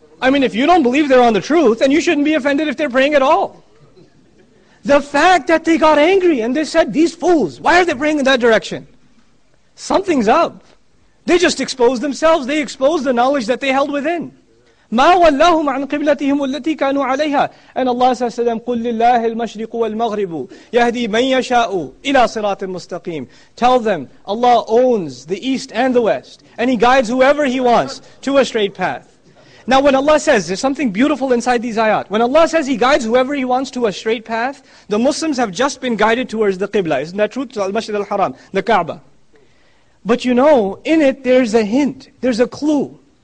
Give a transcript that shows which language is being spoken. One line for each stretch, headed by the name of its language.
English: I mean, if you don't believe they're on the truth, then you shouldn't be offended if they're praying at all. The fact that they got angry and they said, these fools, why are they praying in that direction? Something's up. They just exposed themselves. They exposed the knowledge that they held within.
Arabic: مَا وَلَّهُمْ عَنْ قِبْلَتِهِمُ الَّتِي كَانُوا عَلَيْهَا.
English: And Allah says to them,
Arabic: قُلْ لِلَّهِ الْمَشْرِقُ وَالْمَغْرِبُ يَهْدِي مَنْ يَشَاءُ إِلَىٰ صِرَاطٍ مُسْتَقِيمٍ.
English: Tell them, Allah owns the east and the west, and He guides whoever He wants to a straight path. Now when Allah says, there's something beautiful inside these ayat. When Allah says He guides whoever He wants to a straight path, the Muslims have just been guided towards the qibla. Isn't that true? Al-Masjid al-Haram, the Kaaba. But you know, in it there's a hint, there's a clue.